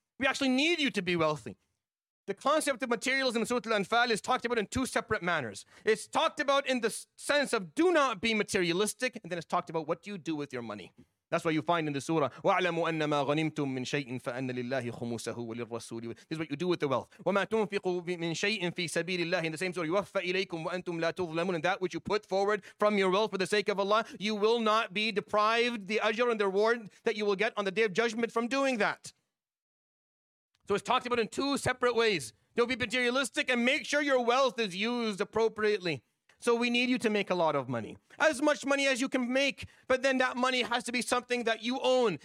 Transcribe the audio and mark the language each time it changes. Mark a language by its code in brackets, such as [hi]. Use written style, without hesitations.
[en] We actually need you to be wealthy. The concept of materialism in Surah Al-Anfal is talked about in two separate manners. It's talked about in the sense of do not be materialistic, and then it's talked about what do you do with your money. That's what you find in the surah. [ar] وَاعْلَمُوا أَنَّمَا غَنِمْتُمْ مِنْ شَيْءٍ فَأَنَّ لِلَّهِ خُمُسَهُ وَلِلرَّسُولِ. [en] This is what you do with the wealth. [ar] وَمَا تُنْفِقُوا مِنْ شَيْءٍ فِي سَبِيلِ اللَّهِ. [en] In the same surah, [ar] يُوَفَّ إِلَيْكُمْ وَأَنْتُمْ لَا تُظْلَمُونَ. [en] And that which you put forward from your wealth for the sake of Allah, you will not be deprived the ajr and the reward that you will get on the day of judgment from doing that. So it's talked about in two separate ways. Don't be materialistic and make sure your wealth is used appropriately. So we need you to make a lot of money. As much money as you can make, but then that money has to be something that you own.